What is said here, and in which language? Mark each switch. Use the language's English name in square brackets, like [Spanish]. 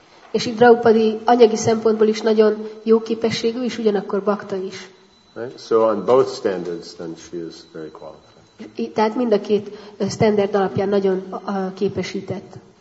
[Hungarian] És itt Draupadi anyagi szempontból is nagyon jó képességű, és ugyanakkor bakta is. [English] Right? So on both standards, then she is very qualified. [Hungarian] Tehát mind a két standard alapján nagyon képesített.